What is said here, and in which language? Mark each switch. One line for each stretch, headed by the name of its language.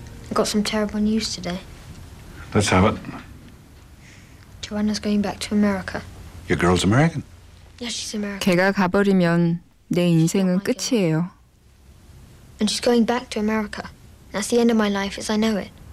English: I got some terrible news today. Let's have it. Joanna's going back to America. Your girl's American. Yeah, she's American.
Korean: 걔가 가버리면 내 인생은 끝이에요.
English: And she's going back to America. That's the end of my life as I know it.